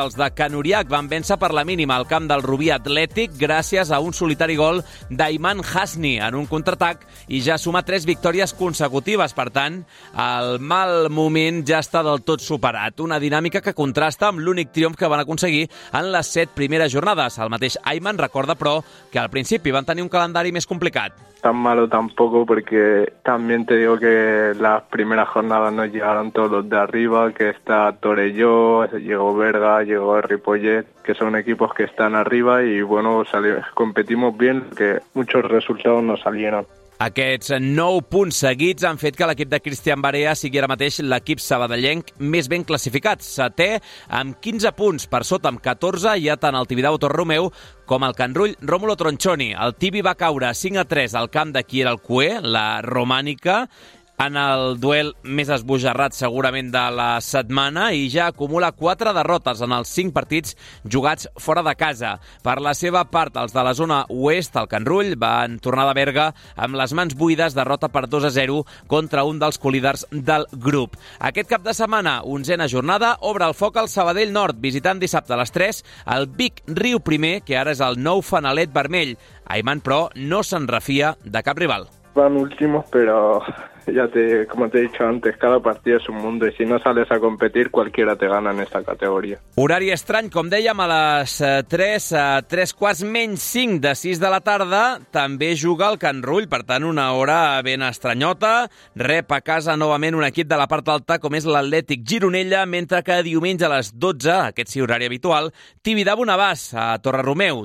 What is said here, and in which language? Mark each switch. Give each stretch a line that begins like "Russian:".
Catalan: Els de Can Uriac van vèncer per la mínima al camp del Rubí Atlètic gràcies a un solitari gol d'Aiman Hasni en un contraatac i ja suma 3 victòries consecutives. Per tant, el mal moment ja està del tot superat. Una dinàmica que contrasta amb l'únic triomf que van aconseguir en les 7 primeres jornades. El mateix Ayman recorda, però, que al principi van tenir un calendari més complicat.
Spanish: Tan malo tampoco, porque también te digo que las primeras jornadas nos llegaron todos los de arriba, que está Torelló, llegó Berga, llegó Ripollet, que son equipos que están arriba y bueno, competimos bien, que muchos resultados no salieron.
Catalan: Aquests 9 punts seguits han fet que l'equip de Cristian Barea sigui ara mateix l'equip sabadellenc més ben classificat. 7è amb 15 punts, per sota amb 14 hi ha tant el Tibidabo Torromeu com el Can Rull Rómulo Tronchoni. El Tibi va caure 5-3 al camp de qui era el cué, la Romànica, en el duel més esbojarrat segurament de la setmana i ja acumula 4 derrotes en els 5 partits jugats fora de casa. Per la seva part, els de la zona oest, el Can Rull, van tornar de Berga amb les mans buides, derrota per 2-0 contra un dels co-líders del grup. Aquest cap de setmana, 11a jornada, obre el foc al Sabadell Nord, visitant dissabte a les 3 el Vic Riu Primer, que ara és el nou fanalet vermell. Ayman, però, no se'n refia de cap rival.
Spanish: Van últimos,
Catalan: però...
Spanish: como te he dicho antes, cada partido es un mundo y si no sales a competir, cualquiera te gana en esta categoría.
Catalan: Horari estrany, com dèiem, a les 3, a 3 quarts menys 5 de 6 de la tarda, també juga el Can Rull, per tant, una hora ben estranyota. Rep a casa novament un equip de la part alta, com és l'Atlètic Gironella, mentre que diumenge a les 12, aquest sí horari habitual, Tibidabo Navàs a Torre-Romeu.